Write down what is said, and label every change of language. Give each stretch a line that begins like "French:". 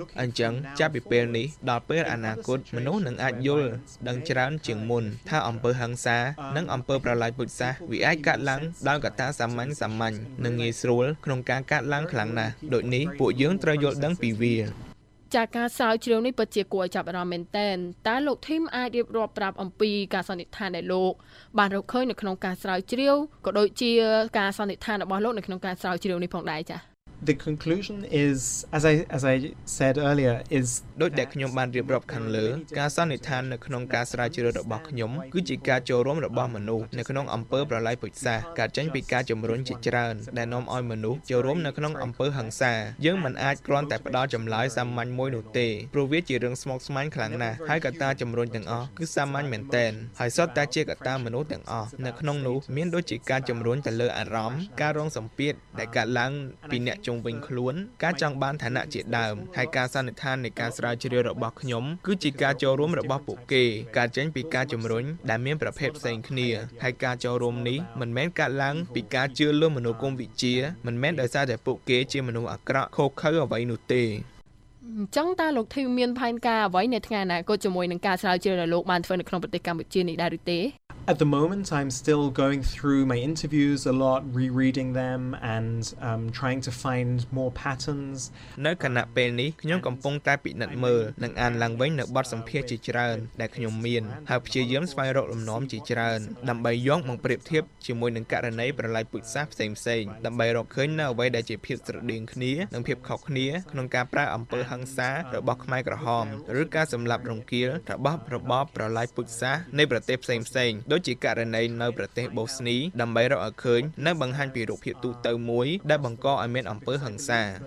Khmer: អញ្ចឹងចាប់ពីពេលនេះដល់ពេលអនាគតមនុស្សនឹងអាចយល់ដឹងច្រើនជាងមុនថាអំពើហិង្សានិងអំពើប្រល័យពូជសាសន៍វាអាចកើតឡើងដោយកត្តាសាមញ្ញៗនិងងាយស្រួលក្នុងការកើតឡើងខ្លាំងណាស់ដូចនេះពួកយើងត្រូវយល់ដឹងពីវា ចាកការស្រាវជ្រាវនេះពិតជាគួរឲ្យចាប់អារម្មណ៍មែនទែនតើលោកធីមអាចរៀបរាប់ប្រាប់អំពីការសន្និដ្ឋានដែលលោកបានរកឃើញនៅក្នុងការស្រាវជ្រាវក៏ដូចជាការសន្និដ្ឋានរបស់លោកនៅក្នុងការស្រាវជ្រាវនេះផងដែរចា
English: The conclusion is as I said earlier is
Khmer: ដោយដែលខ្ញុំបានរៀបរាប់ខាងលើការសន្និដ្ឋាននៅក្នុងការស្រាវជ្រាវរបស់ខ្ញុំគឺជាការចូលរួមរបស់មនុស្សនៅក្នុងអំពើប្រល័យពូជសាសន៍ការចេញពីការជំរុញជាច្រើនដែលនាំឲ្យមនុស្សចូលរួមនៅក្នុងអំពើហិង្សាយើងមិនអាចគ្រាន់តែផ្ដោតចំឡាយសាមញ្ញមួយនោះទេព្រោះវាជារឿងស្មុគស្មាញខ្លាំងណាស់ហើយកត្តាជំរុញទាំងអស់គឺសាមញ្ញមែនទែនហើយសុទ្ធតែជាកត្តាមនុស្សទាំងអស់នៅក្នុងនោះមានដូចជាការជំរុញទៅលើអារម្មណ៍ការរងសម្ពាធដែលកើតឡើង ពីអ្នកជុំវិញខ្លួនការចង់បានឋានៈជាដើមហើយការសន្និដ្ឋាននៃការស្រាវជ្រាវរបស់ខ្ញុំគឺជាការចូលរួមរបស់ពួកគេការចេញពីការជំរុញដែលមានប្រភេទផ្សេងគ្នាហើយការចូលរួមនេះមិនមែនកើតឡើងពីការជឿលើមនោគមវិជ្ជាមិនមែនដោយសារតែពួកគេជាមនុស្សអាក្រក់ខូចខើអ្វីនោះទេ អញ្ចឹងតើលោកធីមមានផែនការអ្វីនៅថ្ងៃអនាគតជាមួយនឹងការស្រាវជ្រាវរបស់លោកបានធ្វើនៅក្នុងប្រទេសកម្ពុជានេះដែរឬទេ
English: At the moment, I'm still going through my interviews a lot, rereading them and trying to find more patterns.
Khmer: នៅគណៈពេលនេះខ្ញុំកំពុងតែពិនិត្យមើលនិងអានឡើងវិញនៅបទសម្ភាសន៍ជាច្រើនដែលខ្ញុំមានហើយព្យាយាមស្វែងរកលំនាំជាច្រើនដើម្បីយកមកប្រៀបធៀបជាមួយនឹងករណីប្រឡាយពូជសាសន៍ផ្សេងៗដើម្បីរកឃើញនៅអ្វីដែលជាភាពស្រដៀងគ្នានិងភាពខុសគ្នាក្នុងការប្រើអំពើហិង្សារបស់ខ្មែរក្រហមឬការសម្លាប់រង្គាលរបស់របបប្រឡាយពូជសាសន៍នៃប្រទេសផ្សេងៗដូចជាករណីនៅប្រទេសបូស្នីដើម្បីរកឃើញនិងបង្ហាញពីរូបភាពទូទៅមួយដែលបង្កឲ្យមានអំពើហិង្សា